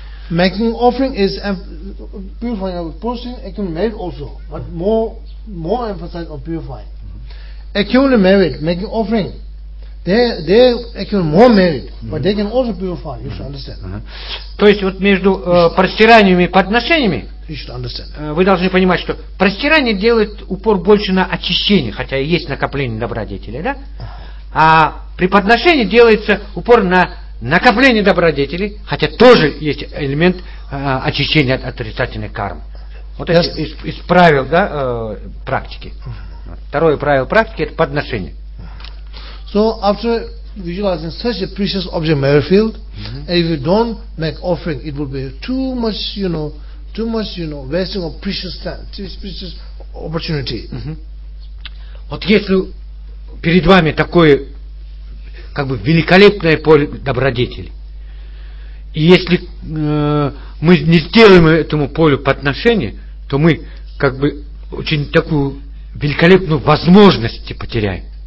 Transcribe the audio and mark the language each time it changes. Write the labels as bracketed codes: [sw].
[en] Making offering is purifying our prostration, accumulating merit also, but more emphasis on purifying. Mm-hmm. Accumulating merit, making offering, they accumulate more merit, mm-hmm. but they can also purify. You mm-hmm. should understand. Mm-hmm. [ru] То есть вот между простираниями и подношениями. [en] You should understand. [ru] Вы должны понимать, что простирание делает упор больше на очищение, хотя и есть накопление добродетелей, да? А при подношении делается упор на накопление добродетелей, хотя тоже есть элемент очищения от отрицательной кармы. Вот это из правил, да, практики. Второе правило практики – это подношение. [en] So after visualizing such a precious object, merit field, mm-hmm. if you don't make offering, it will be too much, wasting of precious time, this precious opportunity. Mm-hmm. [ru] Вот если перед вами такое как бы великолепное поле добродетели. И если мы не сделаем этому полю подношение, то мы как бы очень такую великолепную возможность потеряем.